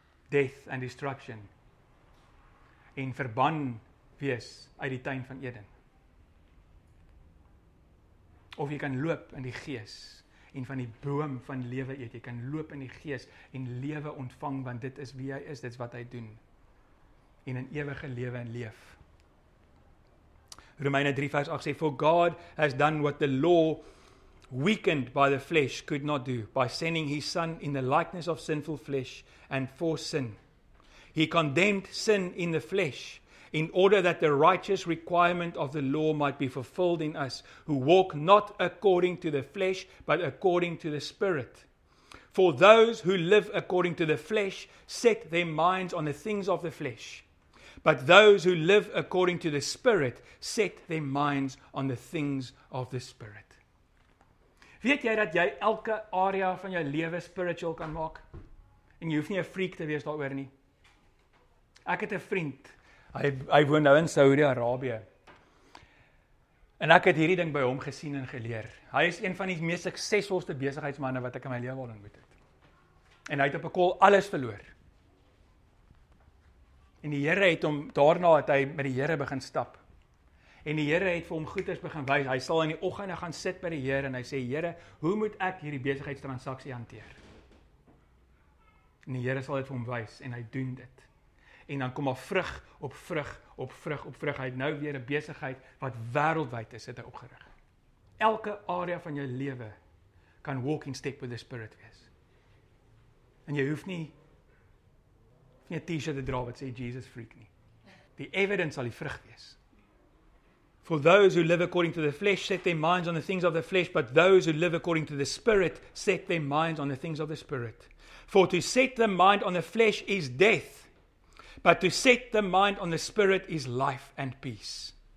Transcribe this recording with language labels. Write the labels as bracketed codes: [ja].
[en] Death and destruction. [af] En verban wees uit die tuin van Eden. Of jy kan loop in die gees en van die boom van lewe eet. Jy kan loop in die gees en lewe ontvang, want dit is wie hy is, dit is wat hy doen. En in ewige lewe en leef. Romeine 3 vers 8 sê, [en] for God has done what the law weakened by the flesh could not do, by sending his son in the likeness of sinful flesh and for sin. He condemned sin in the flesh in order that the righteous requirement of the law might be fulfilled in us who walk not according to the flesh but according to the spirit. For those who live according to the flesh set their minds on the things of the flesh. But those who live according to the spirit set their minds on the things of the spirit. [af] Weet jy dat jy elke area van jou lewe spiritual kan maak? En jy hoef nie 'n freak te wees daaroor nie. Ek het 'n vriend. Hy woon nou in Saudi-Arabië. En ek het hierdie ding by hom gesien en geleer. Hy is een van die mees suksesvolste besigheidsmande wat ek in my lewe al ontmoet het. En hy het op 'n kol alles verloor. En die Here het hom daarna het hy met die Here begin stap. En die Here het vir hom goeders begin wys. Hy sal in die oggende gaan sit by die Here en hy sê, Here, hoe moet ek hierdie besigheidstransaksie hanteer? En die Here sal dit vir hom wys en hy doen dit. En dan kom daar vrug op vrug op vrug op vrug. Hy het nou weer 'n besigheid wat wêreldwyd is, het hy opgerig. Elke area van jou lewe kan [en] walk in step with the spirit [af] wees. En jy hoef nie 'n T-shirt te dra wat sê Jesus freak nie. Die evidence sal die vrug wees. [en] For those who live according to the flesh set their minds on the things of the flesh, but those who live according to the spirit set their minds on the things of the spirit. For to set the mind on the flesh is death. But to set the mind on the spirit is life and peace.